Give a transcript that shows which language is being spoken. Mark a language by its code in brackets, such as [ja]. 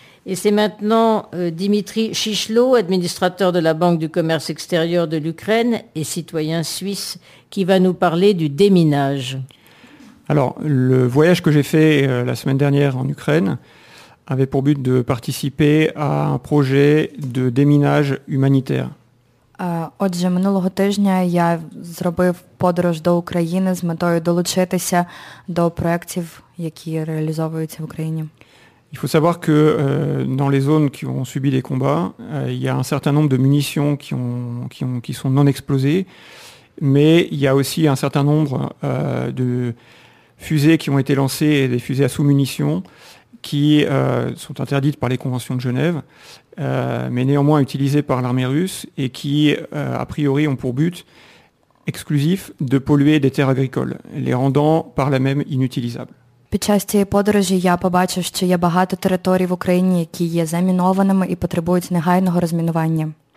[fr] Et c'est maintenant Dimitri Chichlot, administrateur de la Banque du commerce extérieur de l'Ukraine et citoyen suisse, qui va nous parler du déminage. Alors, le voyage que j'ai fait la semaine dernière en Ukraine avait pour but de participer à un projet de déminage humanitaire. [uk] Отже, минулого тижня я зробив подорож до України з метою долучитися до проєктів, які реалізовуються в Україні. [fr] Il faut savoir que dans les zones qui ont subi les combats, il y a un certain nombre de munitions qui sont non explosées, mais il y a aussi un certain nombre de fusées qui ont été lancées, des fusées à sous-munitions, qui sont interdites par les conventions de Genève, mais néanmoins utilisées par l'armée russe et qui, a priori, ont pour but exclusif de polluer des terres agricoles, les rendant par là même inutilisables. [uk] Під час цієї подорожі я побачив, що є багато територій в Україні, які є замінованими і потребують негайного розмінування.